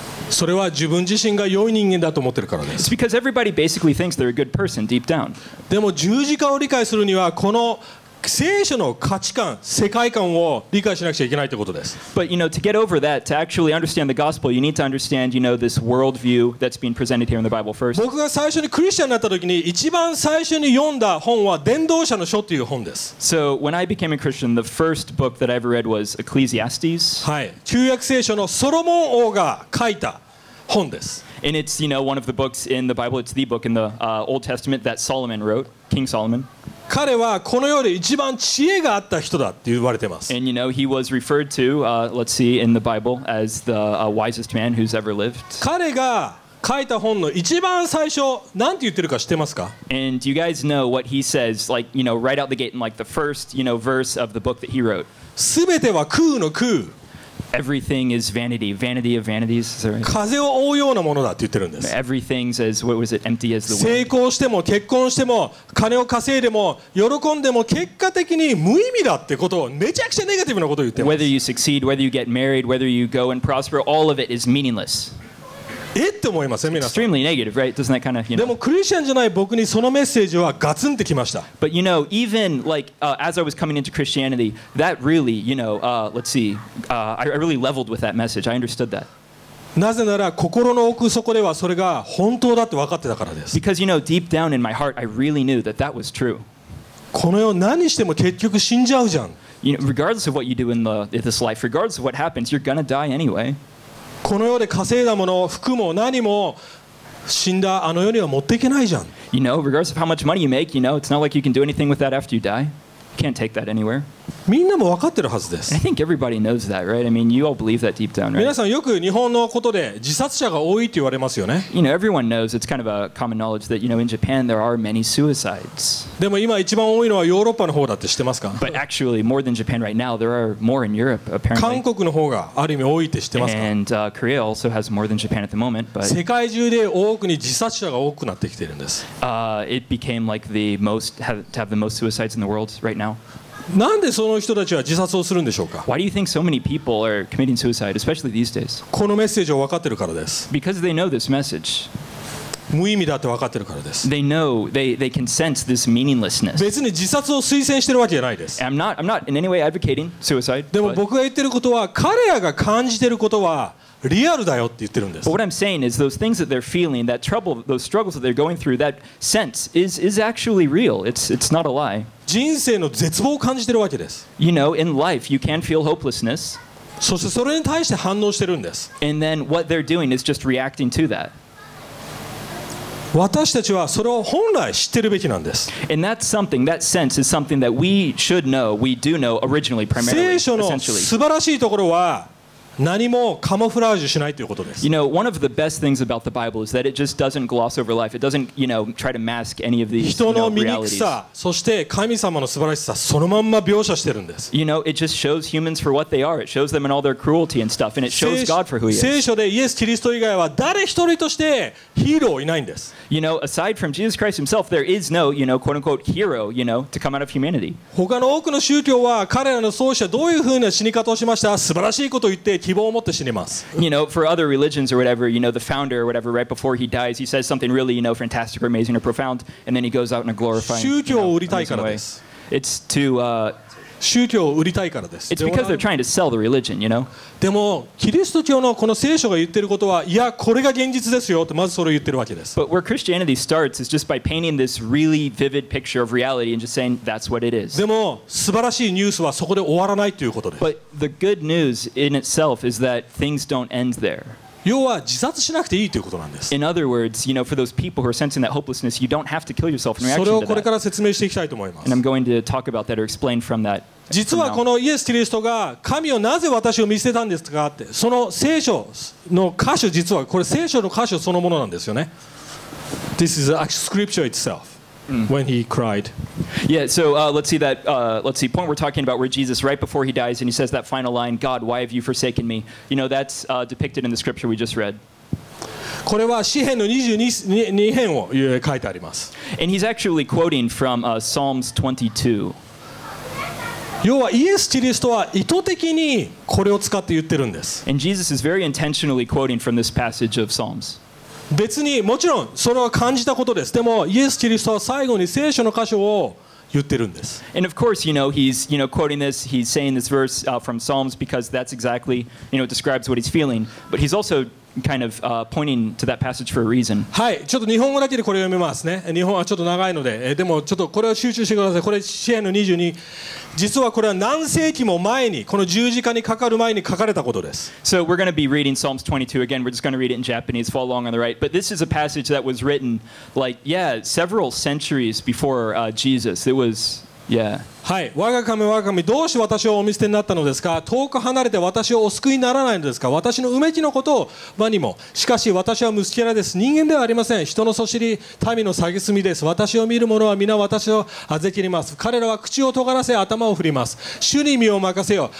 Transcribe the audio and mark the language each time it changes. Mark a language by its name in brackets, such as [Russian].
[Japanese] それは自分自身が良い人間だと思ってるからです。 [English] It's because everybody basically thinks they're a good person deep down. [Japanese] でも十字架を理解するにはこの聖書の価値観、世界観を理解しなくちゃいけないということです。 [English] But you know, to get over that, to actually understand the gospel, you need to understand, you know, this worldview that's being presented here in the Bible first. [Japanese] 僕が最初にクリスチャンになった時に一番最初に読んだ本は伝道者の書という本です。 [English] So when I became a Christian, the first book that I ever read was Ecclesiastes. [Japanese] はい、旧約聖書のソロモン王が書いた本です。 [English] And it's, you know, one of the books in the Bible. It's the book in the Old Testament that Solomon wrote, King Solomon. [Japanese] 彼はこの世で一番知恵があった人だって言われてます。 [English] And you know, he was referred to, let's see, in the Bible as the wisest man who's ever lived. [Japanese] 彼が書いた本の一番最初、なんて言ってるか知ってますか？ [English] And do you guys know what he says, like, you know, right out the gate in like the first, you know, verse of the book that he wrote? [Japanese] 全ては空の空。 [English] Everything is vanity, vanity of vanities. Is that right? [Japanese] 風を覆うようなものだって言ってるんです。 [English] Everything's as what was it? Empty as the wind. [Japanese] 成功しても結婚しても金を稼いでも喜んでも結果的に無意味だってことをめちゃくちゃネガティブなことを言ってます。 [English] Whether you succeed, whether you get married, whether you go and prosper, all of it is meaningless. [Japanese] えって思いますね、皆さん。 [English] Extremely negative, right? Doesn't that kind of, you know? [Japanese] でもクリスチャンじゃない僕にそのメッセージはガツンってきました。 [English] But you know, even like, as I was coming into Christianity, that really, you know, I really leveled with that message. I understood that. [Japanese] なぜなら心の奥底ではそれが本当だって分かってたからです。 [English] Because you know, deep down in my heart, I really knew that that was true. [Japanese] この世何しても結局死んじゃうじゃん。 [English] You know, regardless of what you do in this life, regardless of what happens, you're gonna die anyway. [Japanese] この世で稼いだもの、服も何も死んだあの世には持っていけないじゃん。 [English] You know, regardless of how much money you make, you know, it's not like you can do anything with that after you die. You can't take that anywhere. [Japanese] みんなも分かってるはずです。 [English] I think everybody knows that, right? I mean, you all believe that deep down, right? [Japanese] 皆さんよく日本のことで自殺者が多いって言われますよね。 [English] You know, everyone knows, it's kind of a common knowledge that, you know, in Japan there are many suicides. [Japanese] でも今一番多いのはヨーロッパの方だって知ってますか？ [English] But actually, more than Japan right now, there are more in Europe, apparently. [Japanese] 韓国の方がある意味多いって知ってますか？ [English] And Korea also has more than Japan at the moment, but [Japanese] 世界中で多くに自殺者が多くなってきてるんです。 [English] It became like the most, to have the most suicides in the world right now. [Japanese] なんでその人たちは自殺をするんでしょうか？ [English] Why do you think so many people are committing suicide, especially these days? [Japanese] このメッセージを分かってるからです。 [English] Because they know this message. [Japanese] 無意味だって分かってるからです。 [English] They know, they can sense this meaninglessness. [Japanese] 別に自殺を推薦してるわけじゃないです。 [English] I'm not in any way advocating suicide. [Japanese] でも僕が言ってることは、彼らが感じてることは、リアルだよって言ってるんです。 [English] But what I'm saying is those things that they're feeling, that trouble, those struggles that they're going through, that sense is actually real. It's not a lie. [Japanese] 人生の絶望を感じてるわけです。 [English] You know, in life, you can feel hopelessness. [Japanese] そしてそれに対して反応してるんです。 [English] And then what they're doing is just reacting to that. [Japanese] 私たちはそれを本来知ってるべきなんです。 [English] And that's something, that sense is something that we should know, we do know originally, primarily, essentially. [Japanese] 聖書の素晴らしいところは何もカモフラージュしないということです。 [English] You know, one of the best things about the Bible is that it just doesn't gloss over life. It doesn't, you know, try to mask any of these realities. [Japanese] 人の醜さ、そして神様の素晴らしさ、そのまんま描写してるんです。 [English] You know, it just shows humans for what they are. It shows them in all their cruelty and stuff, and it shows God for who he is. [Japanese] 聖書でイエス・キリスト以外は誰一人としてヒーローいないんです。 [English] You know, aside from Jesus Christ himself, there is no, you know, quote unquote hero, you know, to come out of humanity. [Japanese] 他の多くの宗教は彼らの創始者どういうふうな死に方をしました？素晴らしいことを言って希望を持って死にます。 [English] You know, for other religions or whatever, you know, the founder or whatever, right before he dies, he says something really, you know, fantastic or amazing or profound, and then he goes out in a glorifying, you know, amazing way. It's to, [Japanese] 宗教を売りたいからです。 [English] It's because they're trying to sell the religion, you know? [Japanese] でも、キリスト教のこの聖書が言ってることは、いや、これが現実ですよってまずそれを言ってるわけです。 [English] But where Christianity starts is just by painting this really vivid picture of reality and just saying that's what it is. [Japanese] でも、素晴らしいニュースはそこで終わらないということです。 [English] But the good news in itself is that things don't end there. [Japanese] 要は自殺しなくていいということなんです。 [English] In other words, you know, for those people who are sensing that hopelessness, you don't have to kill yourself in reaction to that. [Japanese] それをこれから説明していきたいと思います。 [English] And I'm going to talk about that or explain from that. [Japanese] 実はこのイエス・キリストが神をなぜ私を見捨てたんですかって、その聖書の箇所、実はこれ聖書の箇所そのものなんですよね。 [English] This is actually scripture itself. When he cried. Yeah, so let's see that, let's see, point we're talking about where Jesus, right before he dies, and he says that final line, God, why have you forsaken me? You know, that's depicted in the scripture we just read. [Japanese] これは詩編の22編を書いてあります。 [English] And he's actually quoting from Psalms 22. [Japanese] 要はイエス・キリストは意図的にこれを使って言ってるんです。 [English] And Jesus is very intentionally quoting from this passage of Psalms. [Japanese] 別にもちろんそれは感じたことです。でもイエス・キリストは最後に聖書の箇所を言ってるんです。 [English] And of course, you know, he's, you know, quoting this, he's saying this verse from Psalms because that's exactly, you know, describes what he's feeling. But he's also kind of pointing to that passage for a reason. [Japanese] はい、ちょっと日本語だけでこれ読みますね。日本はちょっと長いので、でもちょっとこれは集中してください。これ詩篇の22、実はこれは何世紀も前にこの十字架にかかる前に書かれたことです。 [English] So we're going to be reading Psalms 22 again. We're just going to read it in Japanese. Follow along on the right. But this is a passage that was written like, yeah, several centuries before Jesus. It was... Yeah. [Japanese] はい、我が神、我が神、どうして私をお見捨てになったのですか？遠く離れて私をお救いにならないのですか？私のうめきのことを場にも。しかし私は息子です。人間ではありません。人のそしり、民の蔑みです。私を見る者は皆私をあぜきります。彼らは口を尖らせ、頭を振ります。主に身を任せよ。